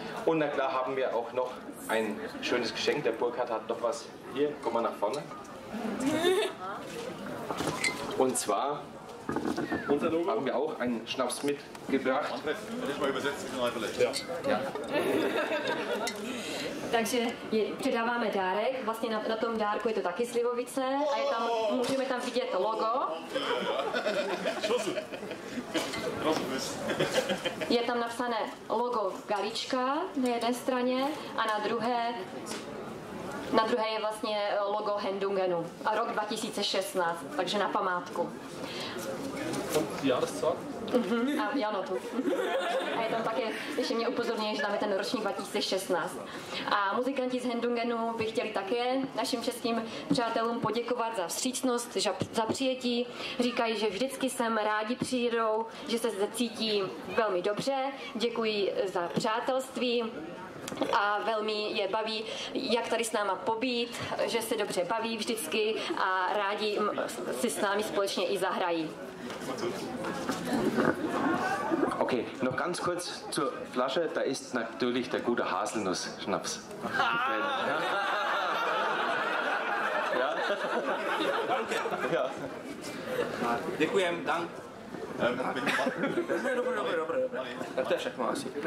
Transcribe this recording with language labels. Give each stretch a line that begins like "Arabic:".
German: Und na klar haben wir auch noch ein schönes Geschenk. Der Burkhard hat noch was. Hier, komm mal nach vorne. Und zwar haben wir auch einen Schnaps mitgebracht. Manfred, ich mal übersetzen, kann man vielleicht. Ja. Ja.
Czech: Takže předáváme dárek, vlastně na tom dárku je to taky slivovice a je tam, můžeme tam vidět logo. Je tam napsané logo Galička na jedné straně a na druhé je vlastně logo Hendungenu a rok 2016, takže na památku. A je tam také, ještě mě upozorňuje, že tam je ten ročník 2016. A muzikanti z Hendungenu by chtěli také našim českým přátelům poděkovat za vstřícnost, za přijetí. Říkají, že vždycky sem rádi přijdou, že se cítí velmi dobře. Děkuji za přátelství a velmi je baví, jak tady s náma pobít, že se dobře baví vždycky a rádi si s námi společně i zahrají.
German: Okay, noch ganz kurz zur Flasche, da ist natürlich der gute Haselnuss-Schnaps. Ah! Ja. Ja. Danke. Ja.
Czech: Děkujem,
German: dank.
Czech: Dobré. Tak to je všechno asi.